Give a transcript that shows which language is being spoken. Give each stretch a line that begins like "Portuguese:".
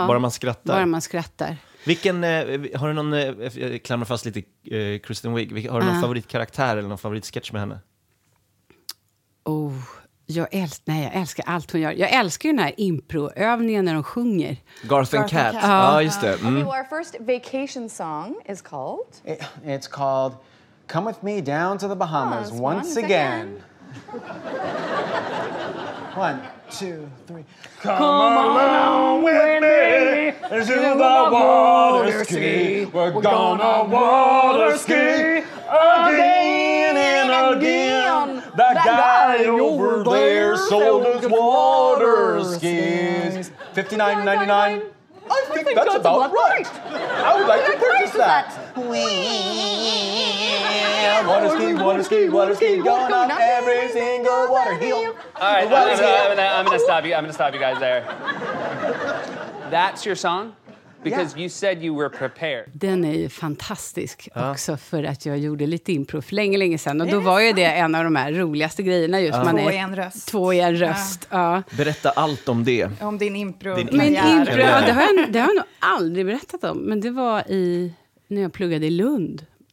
Swedish: Ja, bara man skrattar. Bara man skrattar. Vilken... har du någon... Jag klamrar fast lite Kristen Wiig. Har du någon favoritkaraktär eller någon favoritsketch med henne? Oh, jag älskar allt hon gör. Jag älskar ju den här improövningen när de sjunger. Garth and Cat. Ja, just det. Mm.
English: Okay, our first vacation song is called... It's called... Come with me down to the Bahamas once again. One, two, three. Come along with me to the water ski. We're gonna water ski again and again. That guy over there sold us water skis. $59.99. I think that's about right. I would like to purchase that. Water ski, water ski, water ski. I'm gonna stop you guys there. That's your song? Because you said you were prepared.
Swedish: Den är ju fantastisk också för att jag gjorde lite impro för länge sedan. Och då var ju det en av de här roligaste grejerna just. Man är två i en röst. Två i en röst, ja. Berätta allt om det. Om din impro. Min impro, det har jag nog aldrig berättat om. Men det var när jag pluggade i Lund.